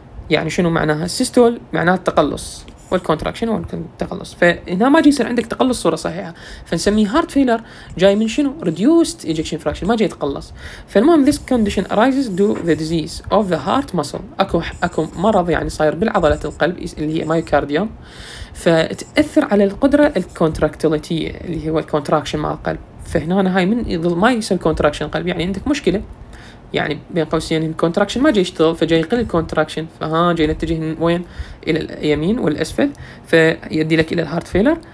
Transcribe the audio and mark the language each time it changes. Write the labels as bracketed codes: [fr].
[ar] يعني شنو معناها؟ سيستول معناها التقلص والكونتراكشن والتقلص، فهنا ما جاي يصير عندك تقلص صورة صحيحة، فنسميه هارت فيلر جاي من شنو؟ reduced ejection fraction ما جاي يتقلص. فالمهم [en] this condition arises due to the disease of the heart muscle. [ar] أكو مرض يعني صاير بالعضلة القلب اللي هي myocardium، فتأثر على القدرة الكونتراكتيليتية اللي هو الكونتراكشن مع القلب. فهنا هاي من يظل ما يصير كونتراكشن القلب يعني عندك مشكلة يعني بين قوسين الكونتراكشن ما جاي يشتغل، فجاي يقل الكونتراكشن، فها جاي نتجه من وين؟ الى اليمين والاسفل، فيدي لك الى الهارت فيلر.